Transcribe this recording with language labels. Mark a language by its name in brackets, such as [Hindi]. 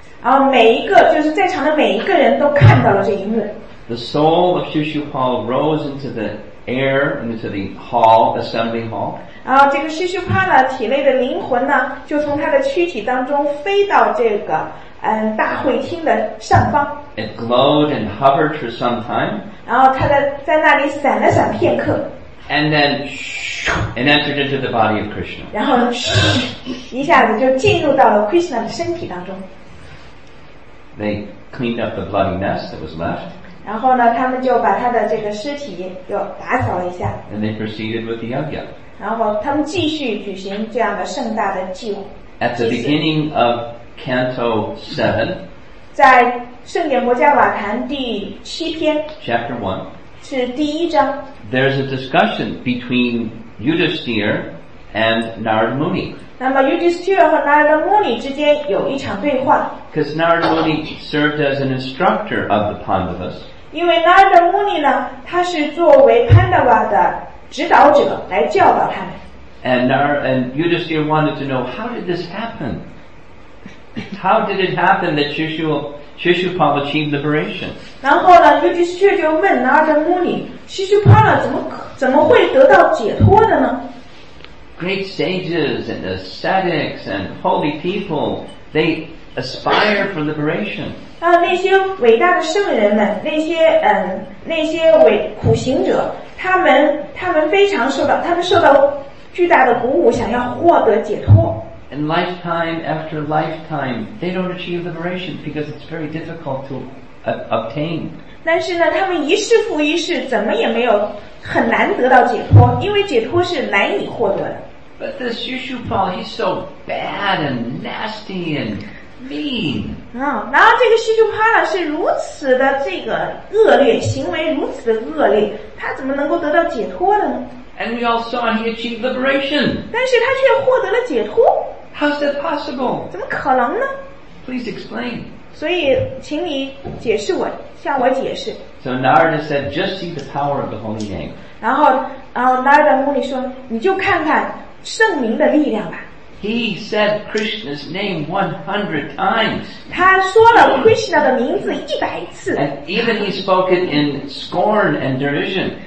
[Chinese] 然后每一个就是在场的每一个人都看到了这一幕。 [English] The soul of Shishupala rose into the air, into the hall, assembly hall. [Chinese] 然后这个 Shishupala 体内的灵魂呢，就从他的躯体当中飞到这个大会厅的上方。 [English] It glowed and hovered for some time. [Chinese] 然后他在那里闪了闪片刻。 [English] And then, and entered into the body of Krishna. [Chinese] 然后一下子就进入到了 Krishna 的身体当中。 [English] They cleaned up the bloody mess that was left. [Chinese] 然后呢，他们就把他的这个尸体又打扫了一下。 [English] And they proceeded with the yajna. [Chinese] 然后他们继续举行这样的盛大的祭祀。 [English] At the beginning of Canto 7, [Chinese] 在圣典国家瓦坛第七篇 [English] ，Chapter 1, [Chinese] 是第一章。 [English] There's a discussion between Yudhisthira and Narada Muni. [Chinese] 那么 Yudhisthira 和 Narada Muni 之间有一场对话。 [English] Because Narada Muni served as an instructor of the Pandavas. [Chinese] 因为 Narada Muni 呢，他是作为 Pandava 的指导者来教导他们。 [English] And Yudhisthira wanted to know how did this happen? How did it happen that Shishupala achieved liberation? [Chinese] 然后呢 ，Yudhisthira 就问 Narada Muni， Shishupala 怎么会得到解脱的呢 [English] ？Great sages and ascetics and holy people, they. Aspire for liberation. [Chinese] 那些伟大的圣人们，那些苦行者，他们非常受到巨大的鼓舞，想要获得解脱。 [English] And lifetime after lifetime, they don't achieve liberation because it's very difficult to obtain. [Chinese] 但是呢，他们一世复一世，怎么也没有很难得到解脱，因为解脱是难以获得的。 [English] But this Shishupala, he's so bad and nasty and mean. [Chinese] 然后这个 Shishupala 是如此的这个恶劣，行为如此的恶劣，他怎么能够得到解脱的呢？ [English] And we all saw he achieved liberation. [Chinese] 但是他却获得了解脱。 [English] How's that possible? [Chinese] 怎么可能呢？ [English] Please explain. [Chinese] 所以请你解释我，向我解释。 [English] So Narada said, just see the power of the holy name. [Chinese] 然后 Narada Muni 说，你就看看圣名的力量吧。 [English] He said Krishna's name 100 times. [Chinese] 他说了 Krishna 的名字一百次。 [English] And even he spoke it in scorn and derision.